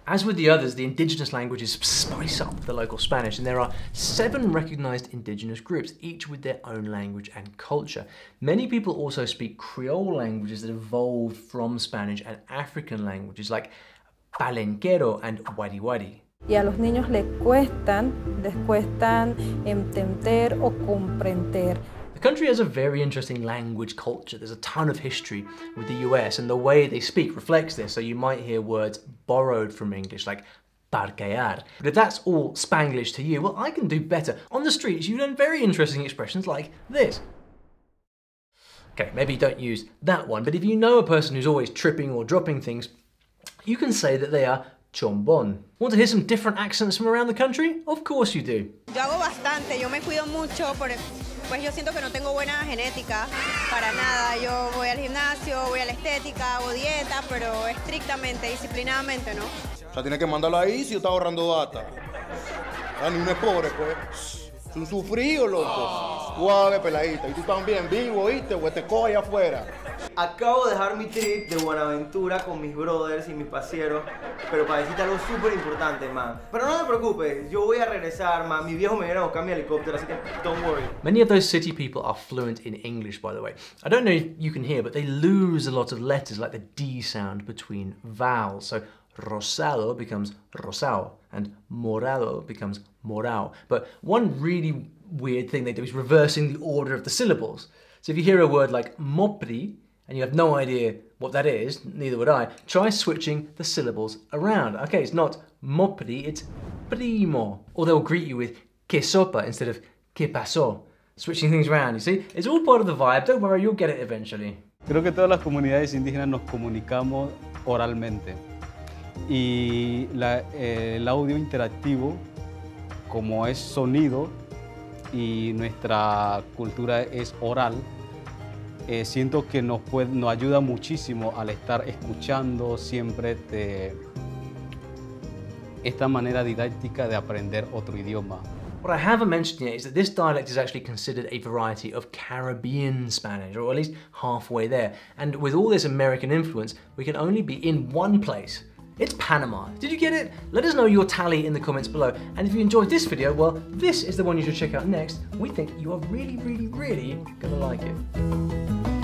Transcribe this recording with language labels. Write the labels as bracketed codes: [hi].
[en] As with the others, the indigenous languages spice up the local Spanish, and there are 7 recognized indigenous groups, each with their own language and culture. Many people also speak Creole languages that evolved from Spanish and African languages, like Palenquero and Wadi Wadi. [es] Y a los niños les cuestan entender o comprender. [en] The country has a very interesting language culture. There's a ton of history with the US, and the way they speak reflects this, so you might hear words borrowed from English, like parquear. But if that's all Spanglish to you, well, I can do better. On the streets, you learn very interesting expressions like this. Okay, maybe don't use that one, but if you know a person who's always tripping or dropping things, you can say that they are chombón. Want to hear some different accents from around the country? Of course you do. [es] Yo hago bastante, yo me cuido mucho por el... Pues yo siento que no tengo buena genética para nada. Yo voy al gimnasio, voy a la estética, hago dieta, pero estrictamente, disciplinadamente, ¿no? O sea, tiene que mandarlo ahí si yo estaba ahorrando data. O sea, ni uno es pobre, pues. Es un sufrido, loco. Oh. Suave, peladita. Y tú también, vivo, ¿viste? O te cojo allá afuera. Acabo de dejar mi trip de Buenaventura con mis brothers y mis paseros, pero para decirte algo súper importante, man. Pero no te preocupes, yo voy a regresar, man. Mi viejo me viene a buscar mi helicóptero, así que [en] don't worry. Many of those city people are fluent in English, by the way. I don't know if you can hear, but they lose a lot of letters, like the D sound between vowels. So rosado becomes rosao, and morado becomes morao. But one really weird thing they do is reversing the order of the syllables. So if you hear a word like mopri, and you have no idea what that is, neither would I, try switching the syllables around. Okay, it's not mopri, it's primo. Or they'll greet you with [es] que sopa [en] instead of [es] que pasó. [en] Switching things around, you see? It's all part of the vibe. Don't worry, you'll get it eventually. [es] Creo que todas las comunidades indígenas nos comunicamos oralmente. Y el audio interactivo, como es sonido, y nuestra cultura es oral, siento que nos ayuda muchísimo al estar escuchando siempre esta manera didáctica de aprender otro idioma. [en] What I haven't mentioned yet is that this dialect is actually considered a variety of Caribbean Spanish, or at least halfway there. And with all this American influence, we can only be in one place. It's Panama. Did you get it? Let us know your tally in the comments below. And if you enjoyed this video, well, this is the one you should check out next. We think you are really, really, really gonna like it.